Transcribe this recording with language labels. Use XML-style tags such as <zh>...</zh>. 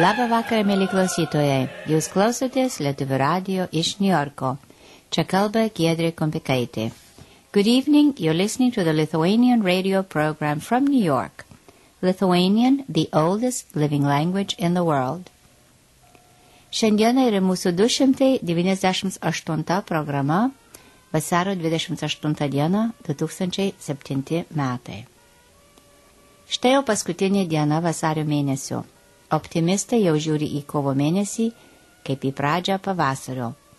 <lt>vakarą, mėly klausytojai. Jūs klausotės Lietuvių radio iš Niujorko. Čia kalba Giedrė Kompikaitė.</lt> <en>Good evening, you're listening to the Lithuanian radio program from New York. Lithuanian, the oldest living language in the world.</en> <lt>Šiandieną yra mūsų 298 programa, vasaro 28 diena, 2007 metai. Štai jau paskutinė diena vasario mėnesio. Optimistai jau žiūri į kovo mėnesį, kaip į pradžią pavasario.</lt>